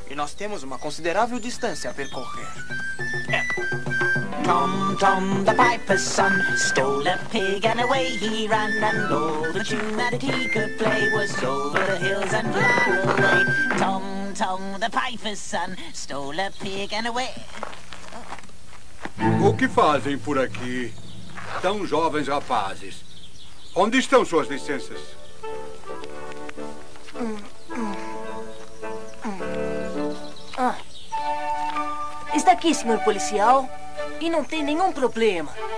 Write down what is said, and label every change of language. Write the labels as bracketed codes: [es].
[pt] E nós temos uma considerável distância a percorrer. É. [en] Tom, Tom, the piper's son, stole a pig and away he ran. And all the tune that he could play was over the hills and far away. Tom, Tom, the piper's son, stole a pig and away. [pt] O que fazem por aqui, tão jovens rapazes? Onde estão suas licenças? Está aqui, senhor policial, e não tem nenhum problema.